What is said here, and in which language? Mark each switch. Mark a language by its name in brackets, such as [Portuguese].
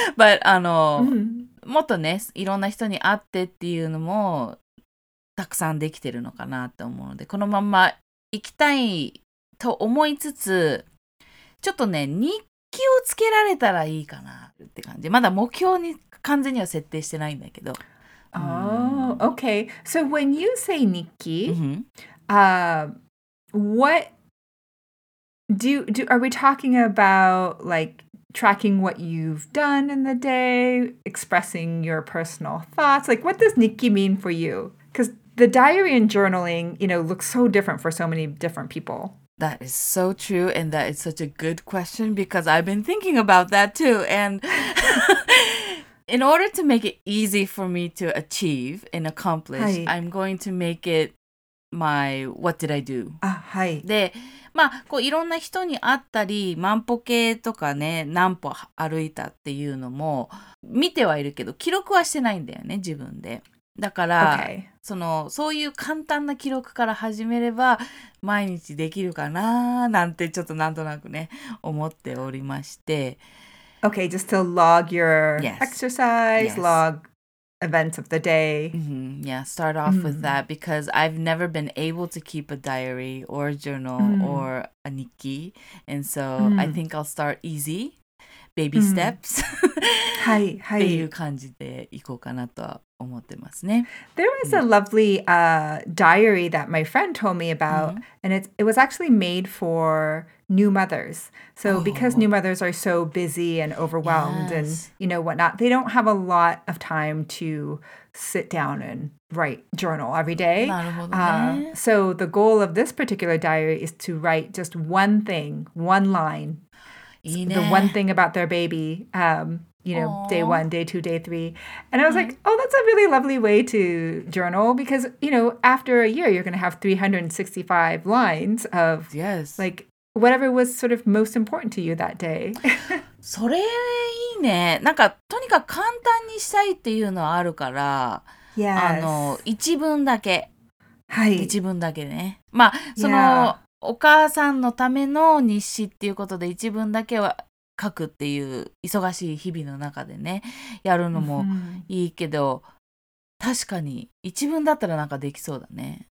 [Japanese] But, もっとね、いろんな人に会ってっていうのも、たくさんできてるのかなと思うので、このまま行きたいと思いつつ、ちょっとね、日記をつけられたらいいかなって感じ。まだ目標に完全には設定してないんだけど。 [English] Oh, okay. So when you say 日記、what are we talking about, like, tracking what you've done in the day, expressing your personal thoughts? Like, what does 日記 mean for you? Because the diary and journaling, you know, looks so different for so many different people. That is so true. And that is such a good question because I've been thinking about that too. And in order to make it easy for me to achieve and accomplish, I'm going to make it my what did I do? Ah, hi. [Japanese] で、まあ、こういろんな人に会ったり、万歩計とかね、何歩歩いたっていうのも見てはいるけど、記録はしてないんだよね、自分で。だから、okay. そういう簡単な記録から始めれば毎日できるかななんてちょっとなんとなくね思っておりまして。 [English] Okay, just to log your exercise, log events of the day. Mm-hmm. Yeah, start off with that because I've never been able to keep a diary or a journal or a 日記. And so I think I'll start easy, baby steps. [Japanese] はいはい。っていう感じでいこうかなとは。 [English] There was a lovely diary that my friend told me about, and it was actually made for new mothers. So because new mothers are so busy and overwhelmed and, you know, whatnot, they don't have a lot of time to sit down and write journal every day. So the goal of this particular diary is to write just one thing, one line, the one thing about their baby. You know, day one, day two, day three. And I was like, oh, that's a really lovely way to journal because, you know, after a year, you're going to have 365 lines of, like, whatever was sort of most important to you that day. [Japanese] それいいね。なんか、とにかく簡単にしたいっていうのはあるから、あの、一文だけ。はい。一文だけね。まあ、その、お母さんのための日誌っていうことで一文だけは、書くっていう忙しい日々の中でねやるのもいいけど、確かに一文だったらなんかできそうだね。